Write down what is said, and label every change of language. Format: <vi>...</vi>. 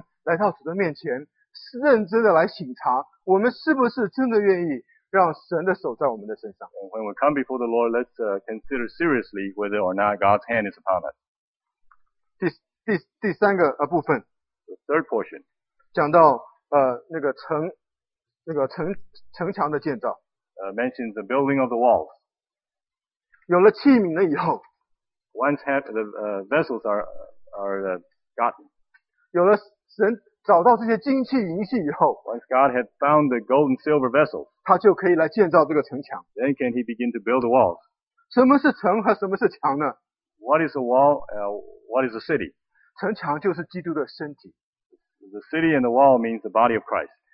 <zh>也让我们来到主的面前, 认真地来省察, 我们是不是真的愿意让神的手在我们的身上。</zh> <en>And when we come before the Lord, let's consider seriously whether or not God's hand is upon us.</en> <zh>第三个部分,</zh> <en>the third portion,</en> <zh>讲到 那个城墙的建造,</zh> <en>mentioned the building of the walls.</en> <zh>有了器皿了以后,</zh> <en>once had the vessels are gotten,</en> <zh>有了神找到这些金器银器以后,</zh> <en>once God had found the gold and silver vessels,</en> <zh>他就可以来建造这个城墙,</zh> <en>then can he begin to build the walls.</en> <zh>什么是城和什么是墙呢?</zh> <en>What is a wall? What is a city?</en> <zh>城墙就是基督的身体。</zh> <en>The city and the wall means the body of Christ.</en>